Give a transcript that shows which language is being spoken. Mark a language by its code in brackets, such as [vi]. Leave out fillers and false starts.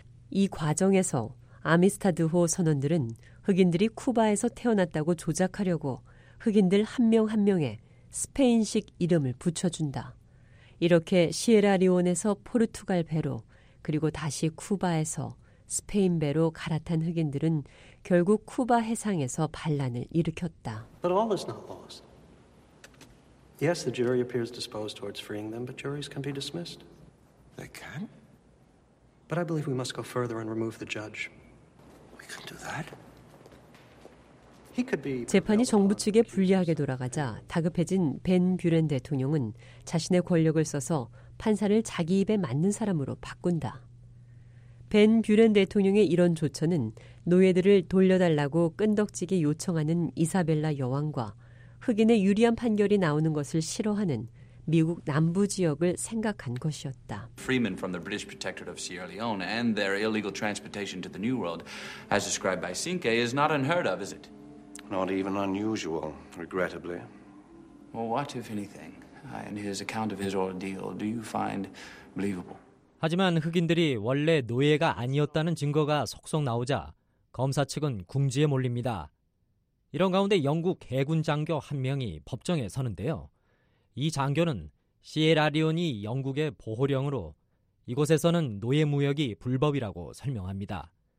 [ko] 이 과정에서 아미스타드호 선원들은 흑인들이 쿠바에서 태어났다고 조작하려고 흑인들 한 명 한 명에 스페인식 이름을 붙여준다. 이렇게 시에라리온에서 포르투갈 배로 그리고 다시 쿠바에서 스페인 배로 갈아탄 흑인들은 결국 쿠바 해상에서 반란을 일으켰다. [en] But all is not lost. Yes, the jury appears disposed towards freeing them, but juries can be dismissed. They can? But I believe we must go further and remove the judge. We can do that. He could be. [ko] 재판이 정부 측에 불리하게 돌아가자 다급해진 벤 뷰렌 대통령은 자신의 권력을 써서 판사를 자기 입에 맞는 사람으로 바꾼다. 벤 뷰렌 대통령의 이런 조처는 노예들을 돌려달라고 끈덕지게 요청하는 이사벨라 여왕과 흑인의 유리한 판결이 나오는 것을 싫어하는 미국 남부 지역을 생각한 것이었다. [en] Freemen from the British Protectorate of Sierra Leone and their illegal transportation to the New World, as described by Sinke, is not unheard of, is it? Not even unusual, regrettably. Well, what if anything? In his account of his ordeal, do you find believable? [ko] 하지만 흑인들이 원래 노예가 아니었다는 증거가 속속 나오자 검사 측은 궁지에 몰립니다. 이런 가운데 영국 해군 장교 한 명이 법정에 서는데요. 이 장교는 시에라리온이 영국의 보호령으로 이곳에서는 노예 무역이 불법이라고 설명합니다.